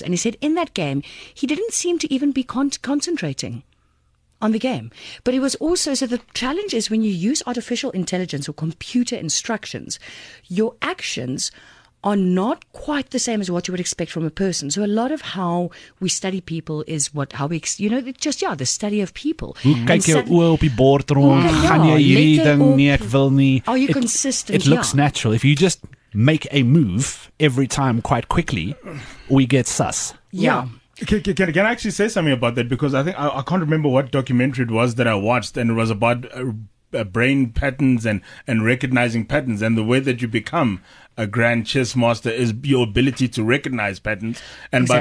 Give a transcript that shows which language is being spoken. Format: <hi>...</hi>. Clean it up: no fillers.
<en>And he said in that game, he didn't seem to even be concentrating on the game. But he was also, so the challenge is when you use artificial intelligence or computer instructions, your actions are not quite the same as what you would expect from a person. So a lot of how we study people is what, how we, you know, just, yeah, the study of people.</en> <af>Kijk jou oor op die bord rond, gaan jy hierdie ding, nee, ek wil nie.</af> <en>Are you consistent? It looks natural. If you just make a move every time quite quickly, we get sus. Yeah. Can I actually say something about that? Because I think, I can't remember what documentary it was that I watched, and it was about brain patterns and recognizing patterns and the way that you become a grand chess master is your ability to recognize patterns. And exactly.</en>